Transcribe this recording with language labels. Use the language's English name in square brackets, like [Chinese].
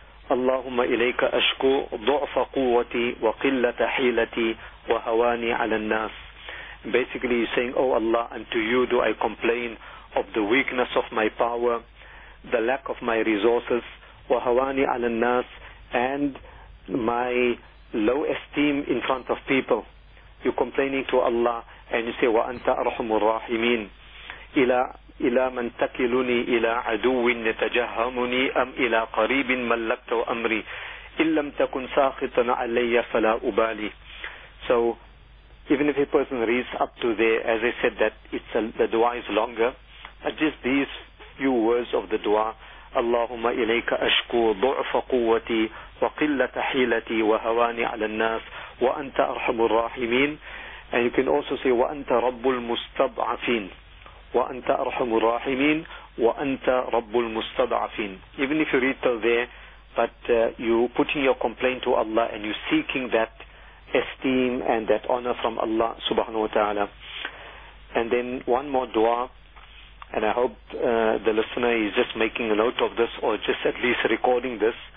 [Arabic] اللهم إليك أشكو ضعف قوتي وقلة حيلتي وهواني على الناس. [English] Basically you're saying, oh Allah, and to you do I complain of the weakness of my power, the lack of my resources, [Arabic] وهواني على الناس, [English] and my low esteem in front of people. You're complaining to Allah and you say, [Arabic] وأنت أرحم الراحمين. إلى من تكلني إلى عدو يتجهمني أم إلى قريب ملكت أمري إن لم تكن ساخطا علي فلا أبالي. [English] So even if a person reads up to there, as I said, that it's the dua is longer, but just these few words of the dua, [Arabic] اللهم إليك أشكو ضعف قوتي وقلة حيلتي وهواني على الناس وأنت أرحم الراحمين. [English] And you can also say, [Arabic] وأنت رب المستضعفين. وأنت أرحم الراحمين وأنت رب المستضعفين. [English] Even if you read till there, but you putting your complaint to Allah and you seeking that esteem and that honor from Allah subhanahu wa ta'ala. And then one more dua, and I hope the listener is just making a note of this or just at least recording this.